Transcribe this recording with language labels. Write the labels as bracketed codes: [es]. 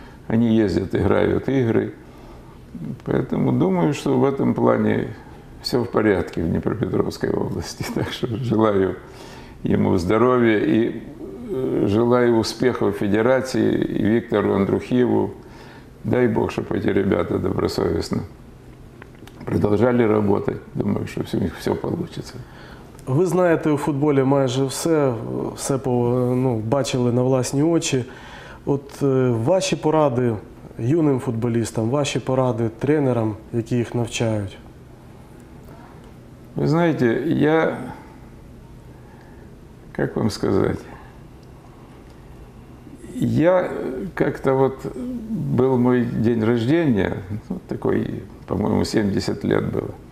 [ru] Они ездят, играют игры. Поэтому думаю, что в этом плане все в порядке в Днепропетровской области. Так что желаю ему здоровья и желаю успехов федерации и Виктору Андрухиеву. Дай Бог, чтобы эти ребята добросовестно продолжали работать. Думаю, что у них все получится. [uk] Ви знаєте у футболі майже все, все бачили на власні очі. От ваші поради юним футболістам, ваші поради тренерам, які їх навчають? Ви знаєте, я, як вам сказати, [ru] я как-то вот, был мой день рождения, вот такой, по-моему, 70 лет было.